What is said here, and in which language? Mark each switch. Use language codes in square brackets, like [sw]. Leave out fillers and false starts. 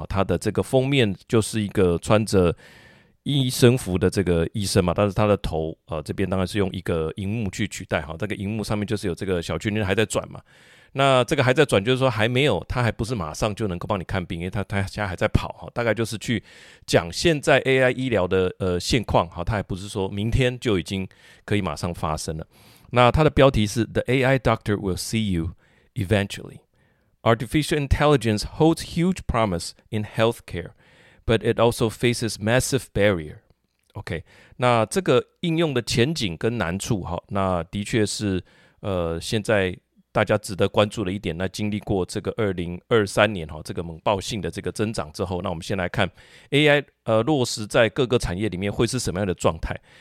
[zh] 它的这个封面就是一个穿着医生服的这个医生嘛，但是他的头这边当然是用一个荧幕去取代，这个荧幕上面就是有这个小圈圈还在转嘛。那这个还在转就是说还没有，他还不是马上就能够帮你看病，因为 他现在还在跑，大概就是去讲现在 AI 医疗的现况，他还不是说明天就已经可以马上发生了。那他的标题是 [en] The AI doctor will see you eventually. Artificial intelligence holds huge promise in healthcare. But it also faces massive barrier. [zh] OK, 那这个应用的前景跟难处，那的确是现在大家值得关注的一点。那经历过这个2023年这个猛爆性的这个增长之后，那我们先来看 AI 落实在各个产业里面会是什么样的状态。